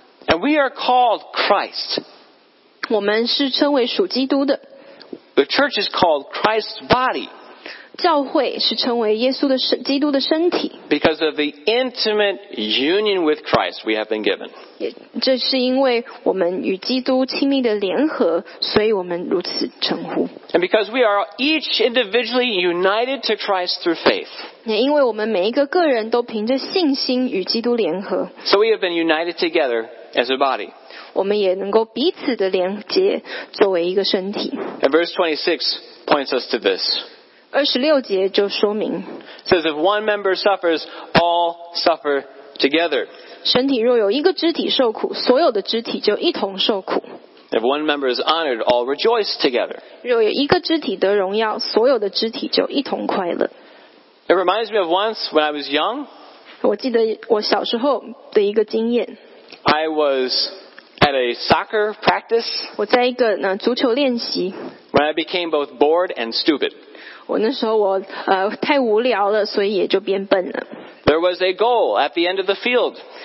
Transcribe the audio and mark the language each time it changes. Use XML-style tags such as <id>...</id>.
<en>And we are called Christ.</en> <zh>我们是称为属基督的。</zh> <en>The church is called Christ's body.</en> <zh>教会是称为耶稣的基督的身体。</zh> <en>Because of the intimate union with Christ, we have been given.</en> <zh>这是因为我们与基督亲密的联合，所以我们如此称呼。</zh> <en>And because we are each individually united to Christ through faith.</en> <zh>也因为我们每一个个人都凭着信心与基督联合。</zh> <en>So we have been united together as a body.</en> <zh>我们也能够彼此的连接，作为一个身体。</zh> <en>And verse 26 points us to this.</en> <zh>二十六节就说明</zh> <en>says if one member suffers, all suffer together.</en> <zh>身体若有一个肢体受苦，所有的肢体就一同受苦。</zh> <en>If one member is honored, all rejoice together.</en> <zh>若有一个肢体得荣耀，所有的肢体就一同快乐。</zh> <en>It reminds me of once when I was young.</en> <zh>我记得我小时候的一个经验。</zh> <en>I was at a soccer practice.</en> <zh>我在一个足球练习。</zh> <en>When I became both bored and stupid.</en> <zh>我那时候我太无聊了，所以也就变笨了。</zh> <en>There was a goal at the end of the field.</en>